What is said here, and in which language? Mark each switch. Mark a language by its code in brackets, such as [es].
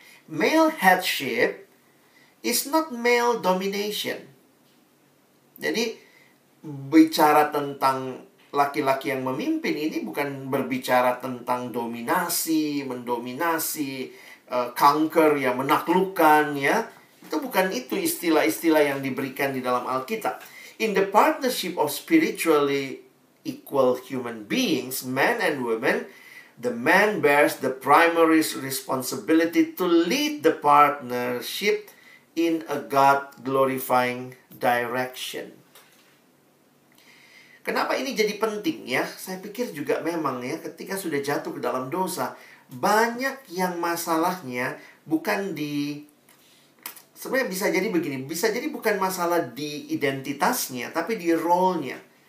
[en] Male headship is not male domination. [id] Jadi bicara tentang laki-laki yang memimpin ini bukan berbicara tentang dominasi, mendominasi, conquer, ya, menaklukkan, ya. Itu bukan itu istilah-istilah yang diberikan di dalam Alkitab. [en] In the partnership of spiritually equal human beings, men and women, the man bears the primary responsibility to lead the partnership in a God-glorifying direction. [id] Kenapa ini jadi penting ya? Saya pikir juga memang ya, ketika sudah jatuh ke dalam dosa, banyak yang masalahnya bukan di... Sebenarnya bisa jadi begini, bisa jadi bukan masalah di identitasnya, tapi di role-nya.